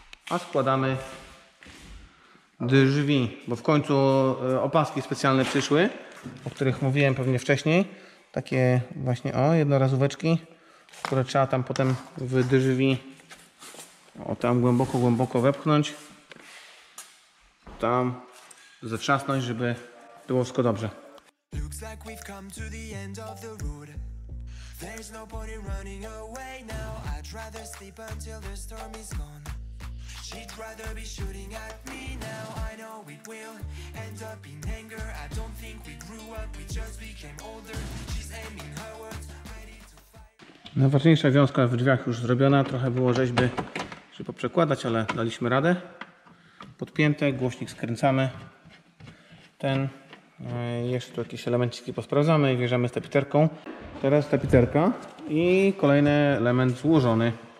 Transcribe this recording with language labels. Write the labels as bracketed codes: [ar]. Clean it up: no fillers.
[pl] A składamy drzwi, bo w końcu opaski specjalne przyszły, o których mówiłem pewnie wcześniej. Takie właśnie, o, jednorazóweczki, które trzeba tam potem w drzwi, o, tam głęboko, głęboko wepchnąć. Tam zatrzasnąć, żeby było wszystko dobrze. [en] Looks like we've come to the end of the road. There's no point in running away now. I'd rather sleep until the storm is gone. She'd rather be shooting at me now. I know we will end up in anger. I don't think we grew up, we just became older. She's aiming her words, ready to fight. [pl] Najważniejsza wiązka w drzwiach już zrobiona. Trochę było rzeźby, żeby poprzekładać, ale daliśmy radę. Podpięte, głośnik skręcamy. Ten. Jeszcze tu jakieś elemenciki posprawdzamy i wierzamy z tapiterką. Teraz tapiterka i kolejny element złożony.